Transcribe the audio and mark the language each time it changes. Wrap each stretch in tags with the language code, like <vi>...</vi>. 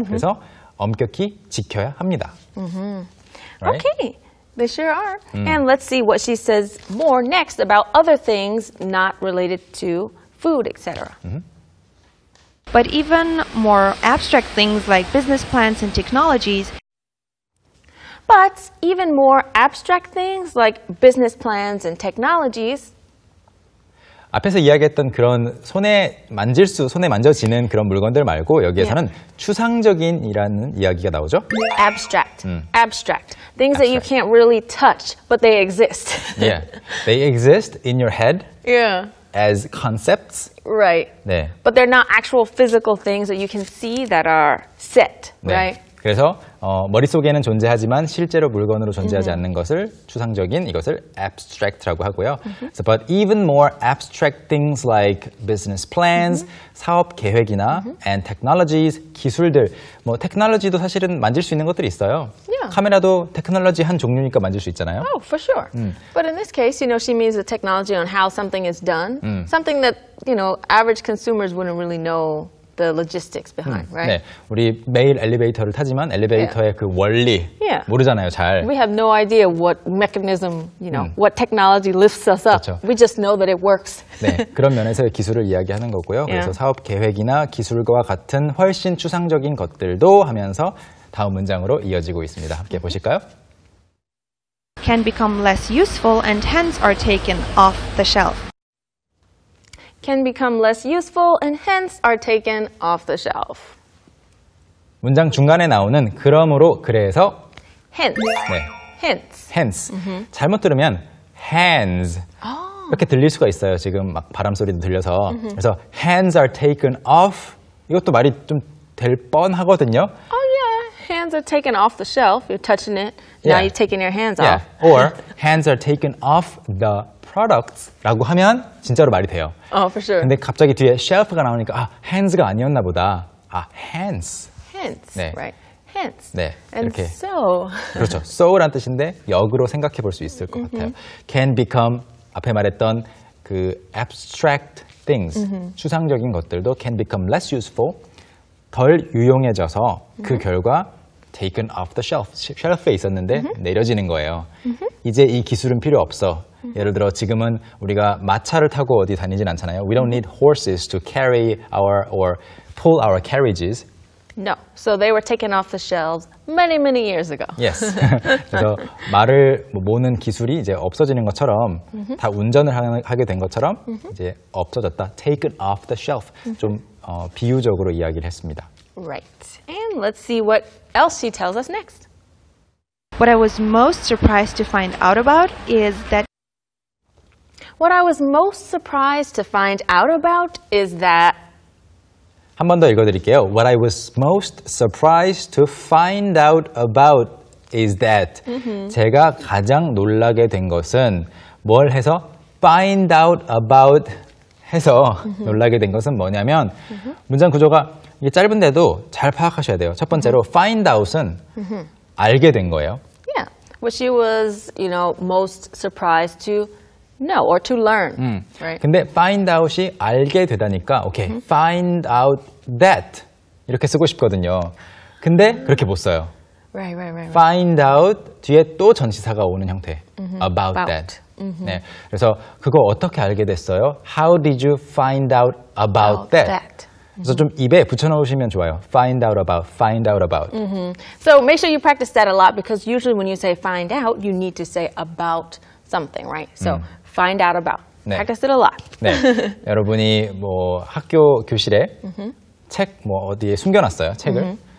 <ko>그래서 엄격히 지켜야 합니다.</ko> <en>Right? Okay, they sure are. And let's see what she says more next about other things not related to food, etc. But even more abstract things like business plans and technologies. But even more abstract things like business plans and technologies.</en> <ko>앞에서 이야기했던 그런 손에 만져지는 그런 물건들 말고 여기에서는 추상적인이라는 이야기가 나오죠.</ko> <en>Abstract. Abstract. Things abstract. that you can't really touch, but they exist. Yeah. They exist in your head. Yeah. As concepts. Right.</en> <ko>네.</ko> <en>But they're not actual physical things that you can see that are set,</en> <ko>네.</ko> <en>right?</en> <ko>그래서 머릿속에는 존재하지만 실제로 물건으로 존재하지 않는 것을 추상적인 이것을 abstract라고 하고요. Mm-hmm.</ko> <en>So, but even more abstract things like business plans, mm-hmm.</en> <ko>사업 계획이나 mm-hmm.</ko> <en>and technologies, 기술들.</en> <ko>뭐 technology도 사실은 만질 수 있는 것들이 있어요.</ko> <en>Yeah.</en> <ko>카메라도 technology 한 종류니까 만질 수 있잖아요.</ko> <en>Oh, for sure. But in this case, you know, she means the technology on how something is done. Something that, you know, average consumers wouldn't really know. The logistics behind, right?</en> <ko>네, 우리 매일 엘리베이터를 타지만 엘리베이터의 그 원리 모르잖아요, 잘.</ko> <en>We have no idea what mechanism, you know, what technology lifts us up.</en> <ko>그렇죠.</ko> <en>We just know that it works.</en> <ko>네, 그런 면에서 기술을 이야기하는 거고요.</ko> <en>Yeah.</en> <ko>그래서 사업 계획이나 기술과 같은 훨씬 추상적인 것들도 하면서 다음 문장으로 이어지고 있습니다. 함께 보실까요?</ko> <en>Can become less useful and hence are taken off the shelf. Can become less useful and hence are taken off the shelf.</en> <ko>문장 중간에 나오는 그러므로 그래서</ko> <en>hence.</en> <ko>네.</ko> <en>Hence. Hence. Mm-hmm.</en> <ko>잘못 들으면 hands. Oh. 이렇게 들릴 수가 있어요. 지금 막 바람 소리도 들려서. Mm-hmm. 그래서</ko> <en>hands are taken off.</en> <ko>이것도 말이 좀 될 뻔하거든요.</ko> <en>Oh yeah. Hands are taken off the shelf. You're touching it. Now yeah. you're taking your hands yeah. off. Or hands are taken off the products라고</en> <ko>하면 진짜로 말이 돼요.</ko> <en>Oh, for sure.</en> <ko>근데 갑자기 뒤에 shelf가 나오니까 아, hands가 아니었나 보다. 아, hands.</ko> <en>Hence. 네. Right. Hence.</en> <ko>네.</ko> <en>And</en> <ko>이렇게.</ko> <en>So.</en> <ko>그렇죠. So란 뜻인데 역으로 생각해 볼 수 있을 것 같아요.</ko> <en>Can become</en> <ko>앞에 말했던 그</ko> <en>abstract things,</en> <ko>추상적인 것들도</ko> <en>can become less useful,</en> <ko>덜 유용해져서 그 결과</ko> <en>taken off the shelf.</en> <ko>shelf에 있었는데 내려지는 거예요. 이제 이 기술은 필요 없어. 예를 들어 지금은 우리가 마차를 타고 어디 다니진 않잖아요.</ko> <en>We don't need horses to carry our or pull our carriages. No. So they were taken off the shelves many, many years ago. Yes.</en> <ko>그래서 말을 모는 기술이 이제 없어지는 것처럼 다 운전을 하게 된 것처럼 이제 없어졌다.</ko> <en>Taken off the shelf.</en> <ko>좀 비유적으로 이야기를 했습니다.</ko> <en>Right. And let's see what else she tells us next. What I was most surprised to find out about is that What I was most surprised to find out about is that</en> <ko>한 번 더 읽어드릴게요.</ko> <en>What I was most surprised to find out about is that</en> <ko>제가 가장 놀라게 된 것은 뭘 해서 find out about 해서 놀라게 된 것은 뭐냐면 문장 구조가 이게 짧은데도 잘 파악하셔야 돼요. 첫 번째로 find out은 알게 된 거예요.</ko> <en>Yeah. What she was, you know, most surprised to No, or to learn. Right.</en> <ko>근데 find out이 알게 되다니까, okay,</ko> <en>find out that</en> <ko>이렇게 쓰고 싶거든요. 근데 그렇게 못 써요.</ko> <en>Right.</en> <ko>Find out 뒤에 또 전치사가 오는 형태.</ko> <en>About that. 네.</en> <ko>그래서 그거 어떻게 알게 됐어요?</ko> <en>How did you find out about that?</en> <ko>So 좀 입에 붙여놓으시면 좋아요.</ko> <en>Find out about, find out about. So make sure you practice that a lot because usually when you say find out, you need to say about. Something, right? So, find out about. Practice it a lot.</en> <ko>네. 여러분이 뭐 학교 교실에 책 뭐 어디에 숨겨놨어요, 책을.</ko>